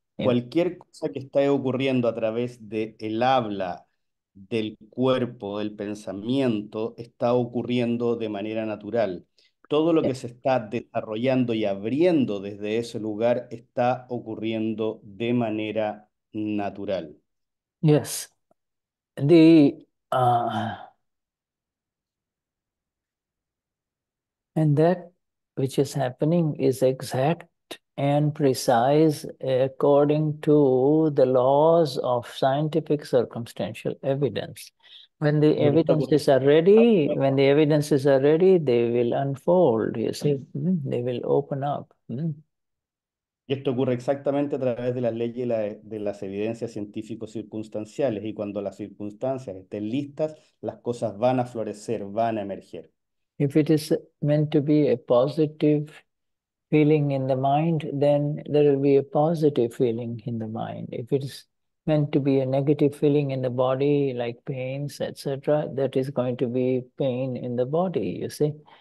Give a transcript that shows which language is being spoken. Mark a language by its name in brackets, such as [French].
[Spanish] Cualquier cosa que esté ocurriendo a través del habla, del cuerpo, del pensamiento, está ocurriendo de manera natural. Todo lo que se está desarrollando y abriendo desde ese lugar está ocurriendo de manera natural. [English] Yes. The and that which is happening is exact and precise according to the laws of scientific circumstantial evidence. When the evidences are ready, when the evidences are ready, they will unfold, you see, they will open up. [Spanish] Y esto ocurre exactamente a través de las leyes y de las evidencias científicos circunstanciales. Y cuando las circunstancias estén listas, las cosas van a florecer, van a emerger. [English] If it is meant to be a positive feeling in the mind, then there will be a positive feeling in the mind. If it is meant to be a negative feeling in the body, like pains, etc., that is going to be pain in the body, you see.